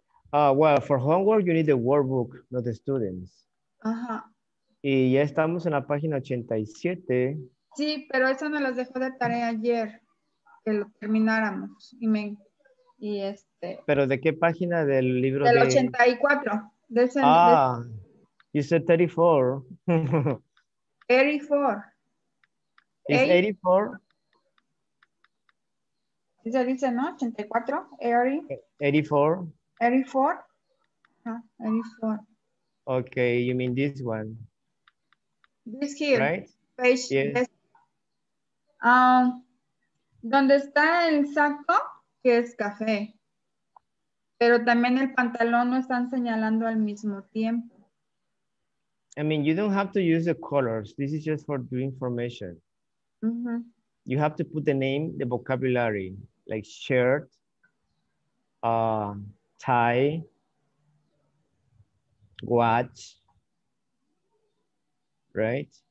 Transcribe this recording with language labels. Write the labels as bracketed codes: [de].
[en] Well, for homework, you need the workbook, not the students. Ajá. [es] Y ya estamos en la página 87. Sí, pero eso me los dejó de tarea ayer, que lo termináramos. Y este. ¿Pero de qué página del libro? Del 84. De [en] ese, you said 34. 84. Is 84? [es] Sí, se dice, ¿no? 84. [en] 84. 84. Huh, 84. Okay, you mean this one. This here. Right? Page. Yes. This. [es] ¿Dónde está el saco? Que es café. Pero también el pantalón no están señalando al mismo tiempo. [en] I mean, you don't have to use the colors. This is just for the information. Mm-hmm. You have to put the name, the vocabulary, like shirt, tie, watch, right?